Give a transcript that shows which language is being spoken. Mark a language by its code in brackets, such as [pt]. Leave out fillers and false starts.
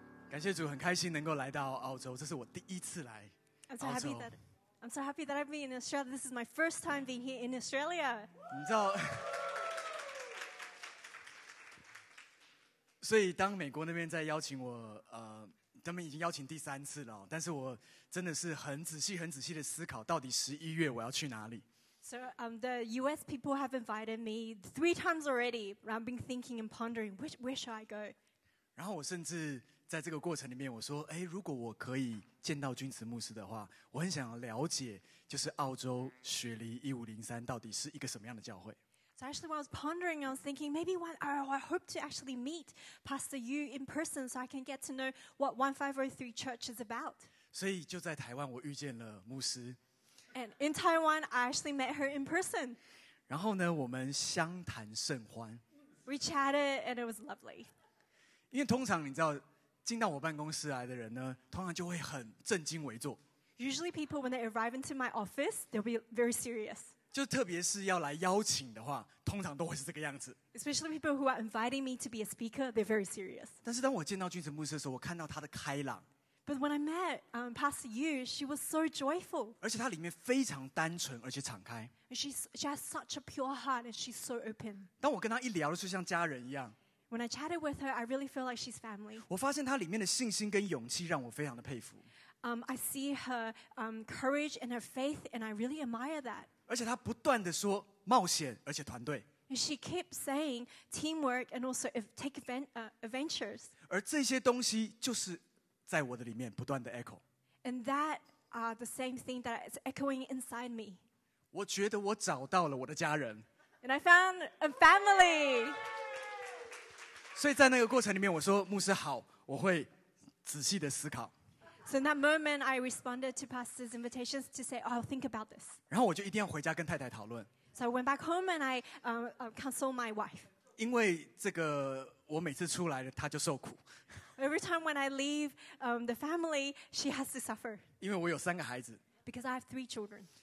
[zh] 感谢主，很开心能够来到澳洲，这是我第一次来澳洲。 [en] I'm so happy that I've been in Australia. This is my first time being here in Australia. [zh] 你知道，所以当美国那边在邀请我，他们已经邀请第三次了，但是我真的是很仔细、很仔细的思考，到底十一月我要去哪里。 [en] So the U.S. people have invited me three times already. I've been thinking and pondering where should I go. [zh] 然后我甚至在这个过程里面，我说：“哎，如果我可以见到君慈牧师的话，我很想了解，就是澳洲雪梨1503到底是一个什么样的教会。” [en] So actually, while I was pondering, I was thinking maybe I hope to actually meet Pastor Yu in person, so I can get to know what 1503 Church is about. [zh] 所以就在台湾，我遇见了牧师。 [en] And in Taiwan, I actually met her in person. [zh] 然后呢，我们相谈甚欢。 [en] We chatted, and it was lovely. [zh] 因为通常你知道，进到我办公室来的人呢，通常就会很正襟危坐。 [en] Usually, people when they arrive into my office, they'll be very serious. [zh] 就特别是要来邀请的话，通常都会是这个样子。 [en] Especially people who are inviting me to be a speaker, they're very serious. [zh] 但是当我见到君成牧师的时候，我看到他的开朗。 [en] But when I met Pastor Yu, she was so joyful. [zh] 而且她里面非常单纯，而且敞开。 [en] She has such a pure heart, and she's so open. [zh] 当我跟她一聊的时候，像家人一样。 [en] When I chatted with her, I really feel like she's family. [zh] 我发现她里面的信心跟勇气让我非常的佩服。 [en] I see her courage and her faith, and I really admire that. [zh] 而且她不断的说冒险，而且团队。 [en] She keeps saying teamwork and also take adventures. [zh] 而这些东西就是在我的里面不断的 echo, [en] and that are the same thing that is echoing inside me. [zh] 我觉得我找到了我的家人 [en] and I found a family. [zh] 所以在那个过程里面，我说牧师好，我会仔细的思考。 [en] So in that moment, I responded to pastor's invitations to say, "I'll think about this." [zh] 然后我就一定要回家跟太太讨论。 [en] So I went back home and I consoled my wife. [zh] 因为这个我每次出来了，她就受苦。 [en] Every time when I leave the family, she has to suffer. [zh] 因为我有三个孩子。 [en] Because I have three children.